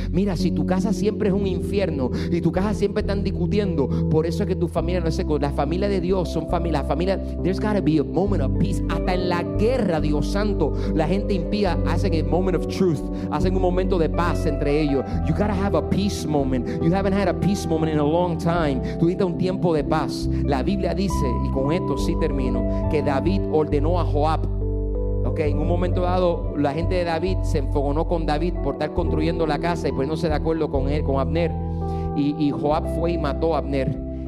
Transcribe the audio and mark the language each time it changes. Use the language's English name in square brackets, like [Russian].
[Spanish] Mira, si tu casa siempre es un infierno y tu casa siempre están discutiendo, por eso es que tu familia no es segura. La familia de Dios son familia. La familia, [English] there's gotta be a moment of peace. [Spanish] Hasta en la guerra, Dios santo, la gente impía hacen [English] a moment of truth, [Spanish] hacen un momento de paz entre ellos. [English] You gotta have a peace moment. You haven't had a peace moment in a long time. [Spanish] Tú necesitas un tiempo de paz. La Biblia dice, y con esto sí termino, que David ordenó a Joab. Ok, en un momento dado la gente de David se enfogonó con David por estar construyendo la casa y poniéndose de acuerdo con él, con Abner, y Joab fue y mató a Abner.